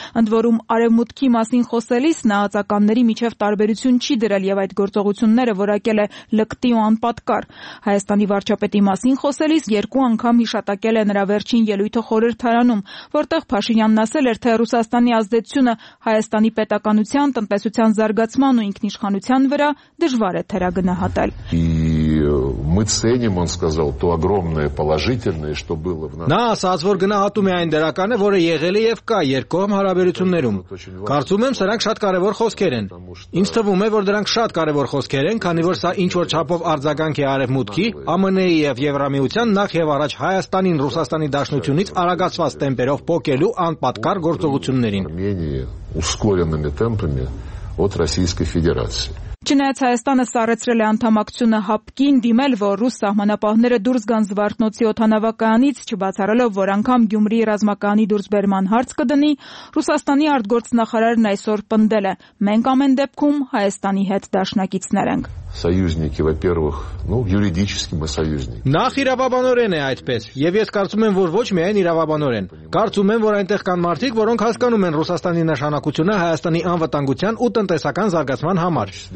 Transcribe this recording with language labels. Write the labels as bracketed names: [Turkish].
[Armenian] Ընդ որում արևմուտքի մասին խոսելիս նահանգականների միջև տարբերություն չի դրել եւ այդ գործողությունները որակել է լկտի ու անպատկառ։ Հայաստանի վարչապետի մասին խոսելիս երկու անգամ հիշատակել է նրա վերջին ելույթը խորհրդարանում, որտեղ Փաշինյանն ասել էր, թե Ռուսաստանի ազդեցությունը Հայաստանի պետական տնտեսության զարգացման ու ինքնիշխանության վրա դժվար է թերագնահատել։ [Russian] Мы ценим, он сказал, то огромное положительное, что было в нас. [Armenian] Нас ասած գնահատում է այն դրականը, որը եղել է եւ կա երկկողմ հարաբերություններում։ Կարծում եմ, սրանք շատ կարևոր խոսքեր են։ Ինձ թվում է, որ դրանք շատ կարևոր խոսքեր են, քանի որ սա ինչ-որ չափով արձագանք է արևմուտքի, ԱՄՆ-ի եւ Եվրամիության նախ եւ առաջ Հայաստանին Ռուսաստանի Դաշնությունից արագացված տեմպերով փոկելու անպատկար գործողություններին։ [Russian] Ускоренными темпами от Российской Федерации. [Armenian] Չնայած Հայաստանը սարեցրել է անդամակցությունը ՀԱՊԿ-ին դիմել, որ ռուս սահմանապահները դուրս գան Զվարթնոցի օթանավականից, չբացառելով, որ անգամ Գյումրի ռազմականի դուրսբերման հարց կդնի, Ռուսաստանի արտգործնախարարն այսօր պնդել է. «Մենք ամեն դեպքում Հայաստանի հետ դաշնակիցներ ենք»։ [Russian] Союзники, во-первых, ну, юридически мы союзники. [Armenian] Նախ իրավաբանորեն է այդպես, եւ ես կարծում եմ, որ ոչ միայն իրավաբանորեն։ Կարծում եմ, որ այնտեղ կան մարդիկ, որոնք հասկանում են Ռուսաստանի նշանակությունը Հայաստանի անվտանգության ու տնտեսական զարգացման համար։